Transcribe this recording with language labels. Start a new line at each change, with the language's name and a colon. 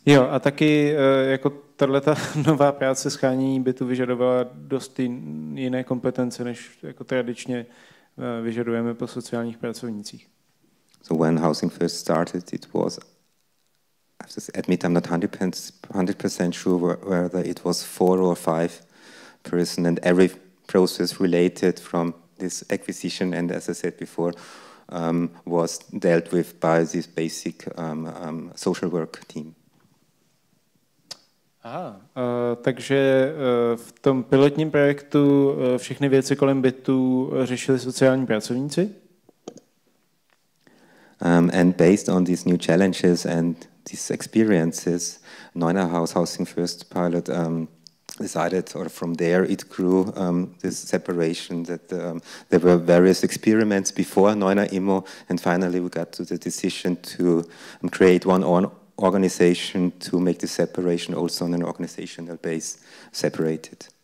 Czech: Jo, a taky jako tato nová práce schání by tu vyžadovala dost jiné kompetence, než jako tradičně vyžadujeme po sociálních pracovnících.
English: So when Housing First started, it was, I have to admit, I'm not 100% sure whether it was 4 or 5 person, and every process related from this acquisition and, as I said before, was dealt with by this basic social work team.
Czech: Aha, takže v tom pilotním projektu všechny věci kolem bytu řešili sociální pracovníci?
English: And based on these new challenges and these experiences, Neuner House Housing First pilot decided, or from there it grew, this separation that there were various experiments before Neuner Immo, and finally we got to the decision to create one own organization to make the separation also on an organizational base separated.